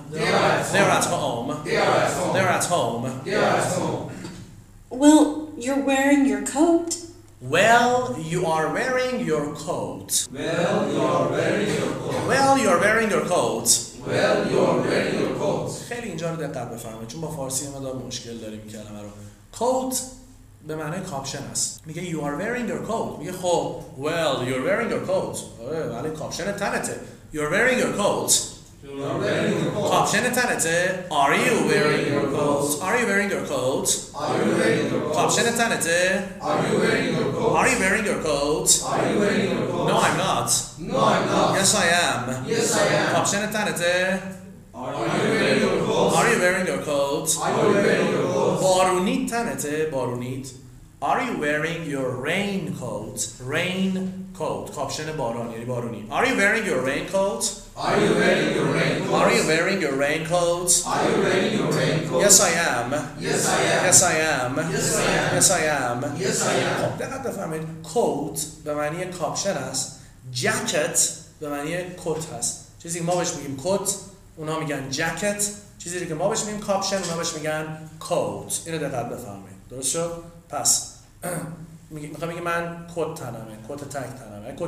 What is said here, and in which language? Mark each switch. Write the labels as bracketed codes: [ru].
[en] They are at home. They are at home. They are at home. Well, you're wearing your coat. Well, you are wearing your coat. Well, you are wearing your coat. Well, you are wearing your coat. Well, you are wearing your coat. [fa] خیلی اینجا رو دقت بفرمایید، چون با فارسی ما دارم مشکل داریم کلمه رو. Coat به معنی کاپشن است. میگه [en] you are wearing your coat. [fa] میگه خب [en] well you are wearing your coat. [fa] ولی کاپشن تنته. [en] You are wearing your coat. [fa] کاپشن تنته. [en] Are you wearing your coat? Are you wearing your coat? [fa] کاپشن تنته. [en] Are you wearing your coat? No I'm not. No I'm not. Yes I am. Yes I am. [fa] کاپشن تنته. [en] Are you wearing your coat? [fa] بارونید تنته. بارونید. [en] Are you wearing your raincoat? Raincoat. [fa] کاپشن باران یعنی بارونی. [en] Are you wearing your raincoat? Are you wearing your raincoat? Are you wearing your raincoat? Are you wearing your raincoat? Yes I am. Yes I am. Yes I am. Yes I am. [fa] خب دقت بفرمایید، کوت به معنی کاپشن است، جکت به معنی کت است. چیزی که ما بهش میگیم کت اونا میگن جکت، چیزی که ما بهش میگیم کاپشن اونا بهش میگن کوت. اینو دقت بفرمایید، درست شد؟ پس میخوام بگم من کت تنمه، کت تک تنمه.